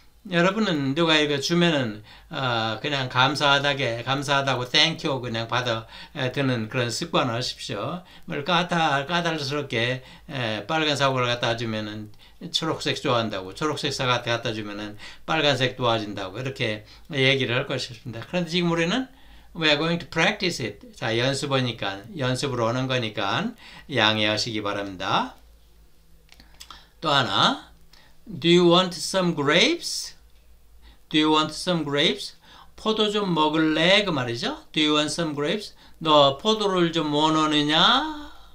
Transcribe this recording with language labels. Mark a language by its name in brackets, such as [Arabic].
[Korean] 여러분은 누가 이거 주면은 그냥 감사하다고 땡큐 그냥 받아 드는 그런 습관을 하십시오. 뭘 까탈스럽게 빨간 사과를 갖다 주면은 초록색 좋아한다고 초록색 사과 갖다 주면은 빨간색 좋아진다고 이렇게 얘기를 할 것입니다. 그런데 지금 우리는 [English] we are going to practice it. [Korean] 자 연습으로 오는 거니까 양해하시기 바랍니다. 또 하나. [English] Do you want some grapes? Do you want some grapes? [Korean] 포도 좀 먹을래? 그 말이죠. [English] Do you want some grapes? [Korean] 너 포도를 좀 원하느냐?